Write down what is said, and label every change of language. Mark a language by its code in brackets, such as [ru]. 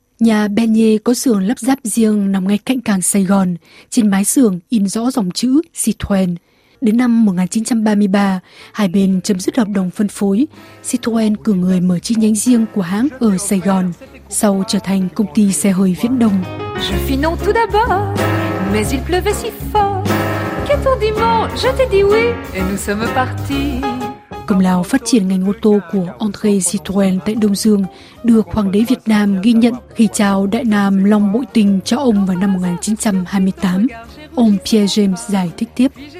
[vi] Nhà Bernier có xưởng lắp ráp riêng nằm ngay cạnh cảng Sài Gòn, trên mái xưởng in rõ dòng chữ Citroën. Đến năm 1933, hai bên chấm dứt hợp đồng phân phối, Citroën cử người mở chi nhánh riêng của hãng ở Sài Gòn, sau trở thành công ty xe hơi Viễn Đông. [fr] Je fis non tout d'abord, mais il pleuvait si fort. Qu'attendiment, je t'ai dit oui et nous sommes partis. [vi] Công lao phát triển ngành ô tô của André Citroën tại Đông Dương được Hoàng đế Việt Nam ghi nhận khi trao Đại Nam Long Bội Tinh cho ông vào năm 1928. Ông Pierre James giải thích tiếp.